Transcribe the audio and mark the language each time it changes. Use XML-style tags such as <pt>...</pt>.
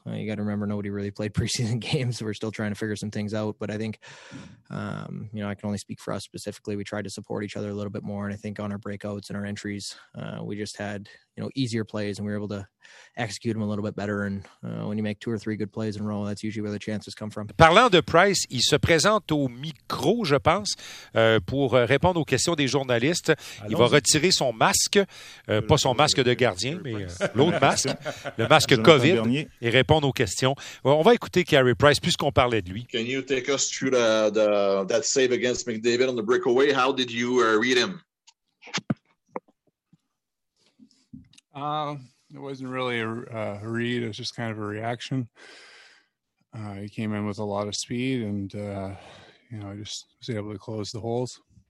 <en>You got to remember, nobody really played preseason games. We're still trying to figure some things out, but I think, you know, I can only speak for us specifically. We tried to support each other a little bit more. And I think on our breakouts and our entries, we just had, you know, easier plays and we were able to execute them a little bit better. And when you make two or three good plays in a row, that's usually where the chances come from.</en> <fr>Parlant de Price, il se présente au micro, je pense, pour répondre aux questions des journalistes. Il va retirer son masque, pas son masque de gardien, mais l'autre masque, le masque COVID, et répondre aux questions. On va écouter Carey Price, puisqu'on parlait de lui.</fr> <en>Can you take us through that save against McDavid on the breakaway? How did you read him? It wasn't really a read. It was just kind of a reaction. He came in with a lot of speed, and you know, I just was able to close the holes.</en>